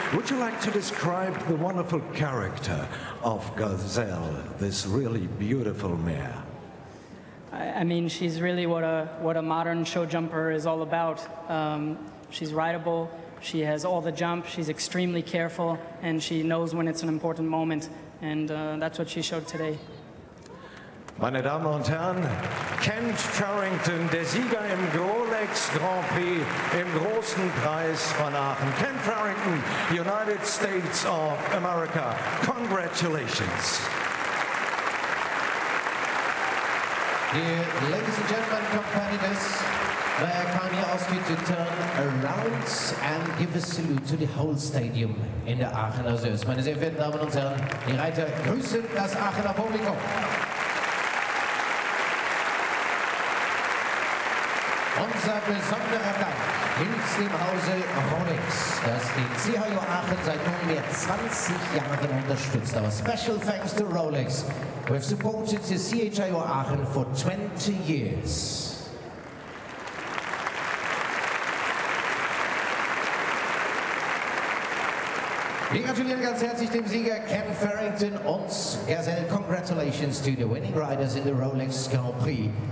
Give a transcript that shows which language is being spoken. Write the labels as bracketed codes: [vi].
[en] Would you like to describe the wonderful character of Gazelle, this really beautiful mare? I mean, she's really what a modern show jumper is all about. She's rideable, she has all the jump, she's extremely careful, and she knows when it's an important moment. And that's what she showed today. [de] Meine Damen und Herren, Kent Farrington, der Sieger im Rolex Grand Prix, im großen Preis von Aachen. [en] Kent Farrington, United States of America, congratulations. Dear ladies and gentlemen, competitors, may I kindly ask you to turn around and give a salute to the whole stadium in the Aachener Söss. [de] Meine sehr verehrten Damen und Herren, die Reiter grüßen das Aachener Publikum. Unser besonderer Dank gilt dem Hause Rolex, das die CHU Aachen seit nunmehr 20 Jahren unterstützt. [en] Our special thanks to Rolex, who have supported the CHU Aachen for 20 years. [de] Wir gratulieren ganz herzlich dem Sieger Ken Farrington und Gazelle. [en] Congratulations to the winning riders in the Rolex Grand Prix.